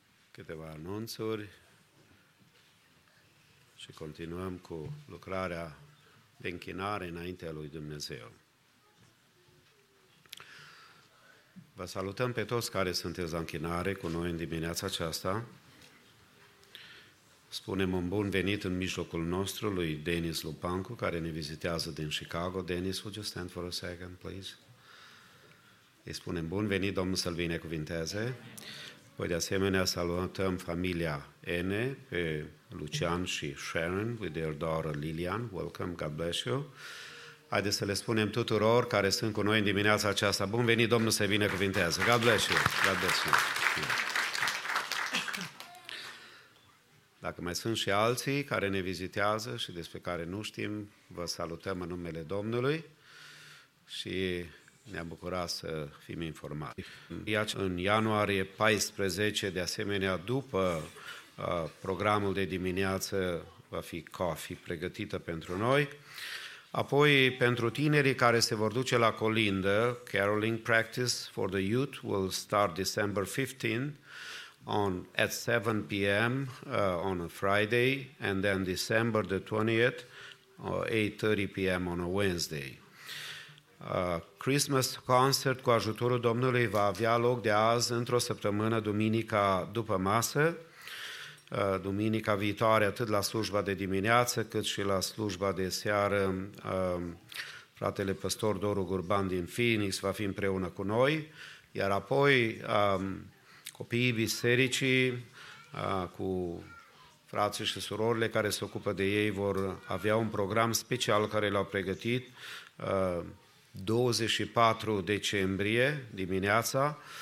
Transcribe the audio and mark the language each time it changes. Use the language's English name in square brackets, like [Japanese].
[Romanian] Câteva anunțuri și continuăm cu lucrarea de închinare înaintea lui Dumnezeu. Vă salutăm pe toți care sunteți la închinare cu noi în dimineața aceasta. Spunem un bun venit în mijlocul nostru lui Denis Lupancu, care ne vizitează din Chicago. [English] Denis, would you stand for a second, please? [Romanian] Îi spunem bun venit, Domnul să-l binecuvinteze. Păi de asemenea salutăm familia N, pe Lucian și Sharon, [English] with their daughter Lilian. Welcome, God bless you. [Romanian] Haideți să le spunem tuturor care sunt cu noi în dimineața aceasta. Bun venit, Domnul să-i binecuvinteze. [English] God bless you. God bless you. [Romanian] Dacă mai sunt și alții care ne vizitează și despre care nu știm, vă salutăm în numele Domnului și ne-am bucurat să fim informați. În ianuarie 14, de asemenea, după programul de dimineață, va fi coffee pregătită pentru noi. Apoi, pentru tinerii care se vor duce la colindă, [English] caroling practice for the youth will start December 15th. At 7 p.m. On a Friday, and then December the 20th, 8:30 p.m. on a Wednesday. [Romanian] Christmas concert cu ajutorul Domnului va avea loc de azi într-o săptămână, duminica după masă, duminica viitoare, atât la slujba de dimineață cât și la slujba de seară. Fratele păstor Doru Gurban din Phoenix va fi împreună cu noi, iar apoi copiii bisericii cu frații și surorile care se ocupă de ei vor avea un program special care l-au pregătit 24 decembrie dimineața.